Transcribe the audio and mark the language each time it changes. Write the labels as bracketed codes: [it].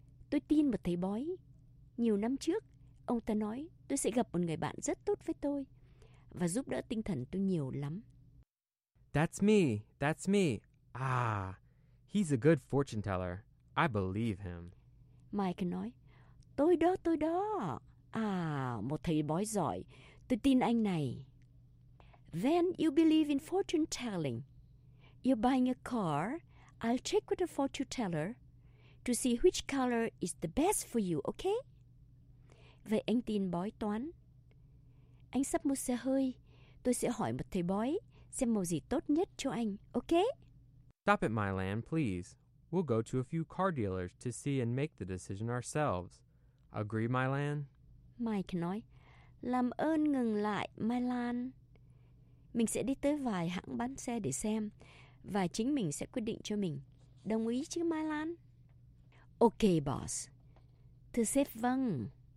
[vi] Tôi tin một thầy bói. Nhiều năm trước, ông ta nói tôi sẽ gặp một người bạn rất tốt với tôi và giúp đỡ tinh thần tôi nhiều lắm. [en] That's me. Ah, he's a good fortune teller. I believe him. [vi] Mike nói, tôi đó. Một thầy bói giỏi. Tôi tin anh này. [en] Then you believe in fortune telling. You're buying a car. I'll check with the fortune teller to see which color is the best for you, okay? [vi] Vậy anh tin bói toán. Anh sắp mua xe hơi. Tôi sẽ hỏi một thầy bói xem màu gì tốt nhất cho anh, okay? [en] Stop at my land, please. We'll go to a few car dealers to see and make the decision ourselves. Agree, my land? [vi] Mike nói, làm ơn ngừng lại, [en] my land. [vi] Mình sẽ đi tới vài hãng bán xe để xem, và chính mình sẽ quyết định cho mình. Đồng ý chứ, [en] my land? Okay, boss. [vi] Thưa sếp, vâng.